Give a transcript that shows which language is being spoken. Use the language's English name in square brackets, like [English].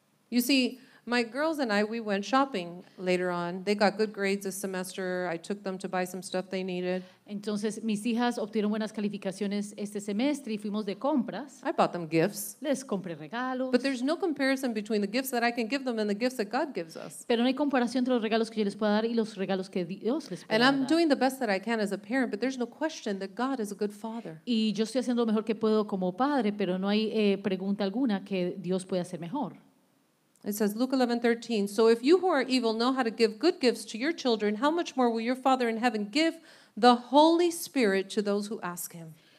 [English] You see, my girls and I, we went shopping later on. They got good grades this semester. I took them to buy some stuff they needed. [Spanish] Entonces, mis hijas obtuvieron buenas calificaciones este semestre y fuimos de compras. [English] I bought them gifts. [Spanish] Les compré regalos. [English] But there's no comparison between the gifts that I can give them and the gifts that God gives us. [Spanish] Pero no hay comparación entre los regalos que yo les pueda dar y los regalos que Dios les puede [English] and [Spanish] dar. [English] And I'm doing the best that I can as a parent, but there's no question that God is a good father. [Spanish] Y yo estoy haciendo lo mejor que puedo como padre, pero no hay pregunta alguna que Dios pueda hacer mejor. [English] It says, Luke 11, 13, so if you who are evil know how to give good gifts to your children, how much more will your Father in heaven give the Holy Spirit to those who ask him?